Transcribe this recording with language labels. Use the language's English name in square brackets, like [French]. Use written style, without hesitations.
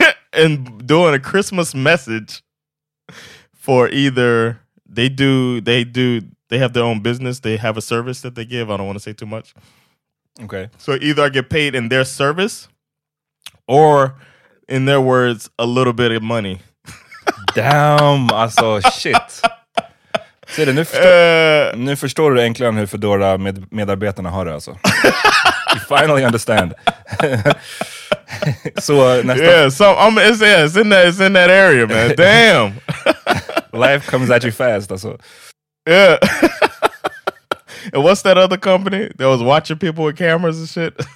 [English] And doing a Christmas message for either they have their own business, they have a service that they give. I don't want to say too much. Okay. So either I get paid in their service or, in their words, a little bit of money. Damn, I saw shit. [Swedish] Ser du, nu förstår du äntligen hur Fedora medarbetarna har det alltså. [English] You finally understand. So it's in that area, man. Damn. Life comes at you fast, that's what. Yeah. And what's that other company that was watching people with cameras and shit?